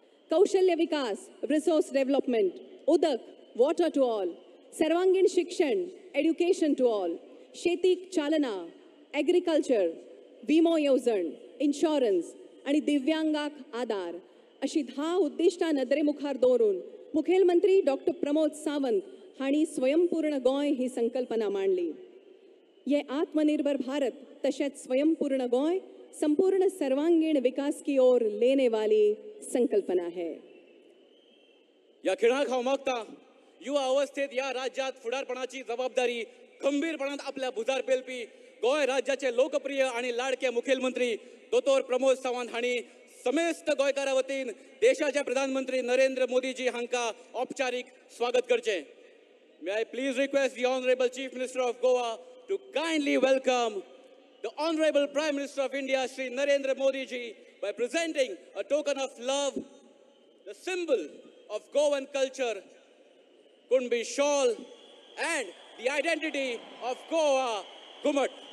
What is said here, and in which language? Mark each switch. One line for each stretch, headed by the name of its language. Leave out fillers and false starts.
Goan Konkani: कौशल्य विकास resource development उदक वॉटर टू ऑल सर्वांगीण शिक्षण एड्युकेशन टू ऑल शेतीक चालना ॲग्रिकल्चर विमो येवजण इन्शॉरन्स आणि दिव्यांगाक आधार अशी 10 उद्दिष्टां नदरेमुखार दवरून मुखेलमंत्री डॉक्टर प्रमोद सावंत हांणी स्वयंपूर्ण गोंय ही संकल्पना मांडली।
Hindi: ये आत्मनिर्भर भारत तशेंच स्वयंपूर्ण गोंय संपूर्ण सर्वांगीण विकास की ओर लेने वाली संकल्पना है।
Goan Konkani: या खिणाक हांव मागता युवा अवस्थेत या राज्यात फुडारपणाची जबाबदारी खंबीरपणान आपल्या भुजार पेलपी गोय राज्याचे लोकप्रिय आणि लाडके मुखेलमंत्री दोतोर प्रमोद सावंत हांणी समेस्त गोयकारा वतीन देशाच्या प्रधानमंत्री नरेंद्र मोदी जी हांका औपचारिक स्वागत करचे।
English: May I please request the honourable chief minister of Goa to kindly welcome The Honorable Prime Minister of India, Shri Narendra Modi ji, by presenting a token of love, the symbol of Goan culture, Kumbhi shawl, and the identity of Goa, Ghumat.